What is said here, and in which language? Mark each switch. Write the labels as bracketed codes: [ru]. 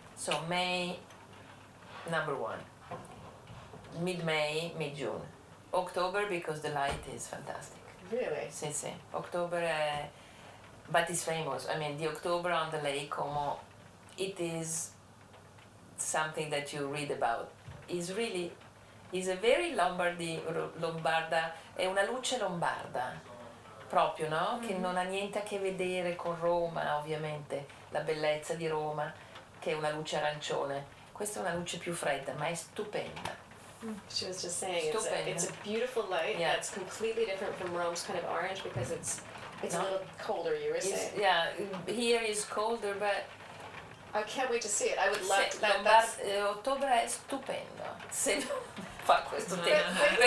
[en] So May, number one. Mid-May, mid-June. October, because the light is fantastic. Really? [it] Si. [en] October, but it's famous. I mean, the October on the lake, Como, it is something that you read about. It's really, is a very Lombarda, [it] è una luce lombarda, proprio, no? Mm-hmm. Che non ha niente a che vedere con Roma, ovviamente, la bellezza di Roma, che è una luce arancione. Questa è una luce più fredda, ma è stupenda. [en] She was just saying it's a beautiful light that's completely different from Rome's kind of orange because it's a little colder, you were saying. Yeah, here is colder, but I can't wait to see it. I would love to. [it] Ottobre è stupendo. Se fa questo tempo.